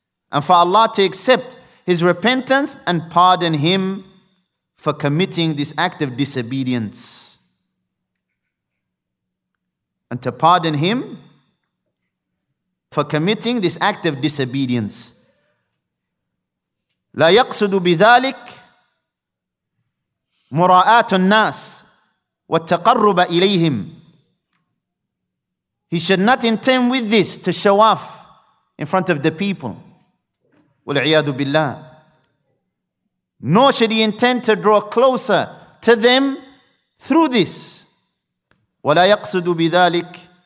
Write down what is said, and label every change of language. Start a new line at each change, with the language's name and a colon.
English: And for Allah to accept his repentance and pardon him for committing this act of disobedience. And to pardon him for committing this act of disobedience.
Arabic: لا يقصد بذلك مراءة الناس والتقرب إليهم.
English: He should not intend with this to show off in front of the people.
Arabic: والعياذ بالله.
English: Nor should he intend to draw closer to them through this.
Arabic: ولا يقصد بذلك.